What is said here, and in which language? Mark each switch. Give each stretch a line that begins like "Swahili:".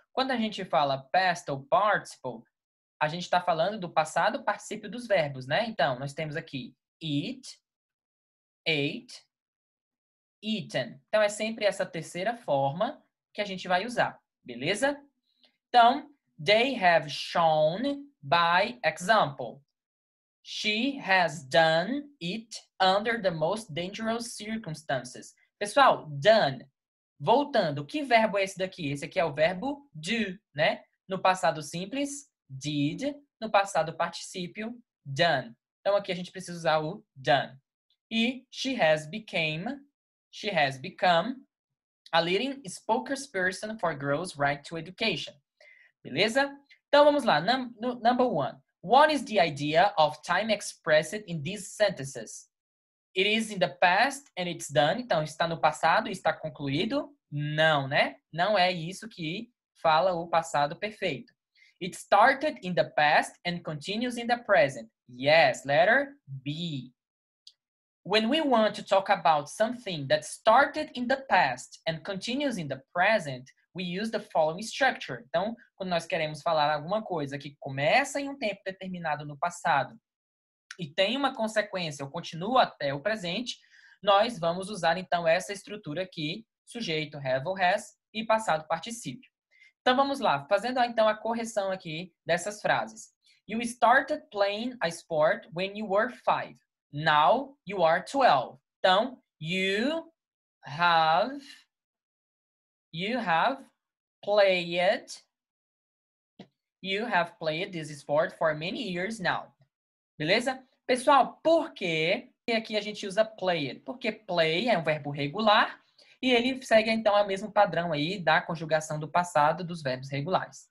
Portuguese: Quando a gente fala past ou participle, a gente está falando do passado particípio dos verbos, né? Então, nós temos aqui eat, ate, eaten. Então, é sempre essa terceira forma que a gente vai usar, beleza?
English: Então, they have shown by example. She has done it under the most dangerous circumstances.
Portuguese: Pessoal, done. Voltando, que verbo é esse daqui? Esse aqui é o verbo do, né? No passado simples, did, no passado particípio, done. Então, aqui a gente precisa usar o done.
English: E she has become a leading spokesperson for girls' right to education.
Portuguese: Beleza? Então, vamos lá.
English: Number one. What is the idea of time expressed in these sentences? It is in the past and it's done.
Portuguese: Então, está no passado e está concluído? Não, né? Não é isso que fala o passado perfeito.
English: It started in the past and continues in the present. Yes, letter B. When we want to talk about something that started in the past and continues in the present, we use the following structure.
Portuguese: Então, quando nós queremos falar alguma coisa que começa em um tempo determinado no passado e tem uma consequência ou continua até o presente, nós vamos usar, então, essa estrutura aqui, sujeito, have or has, e passado particípio. Então, vamos lá. Fazendo, então, a correção aqui dessas frases.
English: You started playing a sport when you were 5. Now, you are 12.
Portuguese: Então,
English: you have played this sport for many years now.
Portuguese: Beleza? Pessoal, por que aqui a gente usa play it? Porque play é um verbo regular e ele segue, então, o mesmo padrão aí da conjugação do passado dos verbos regulares.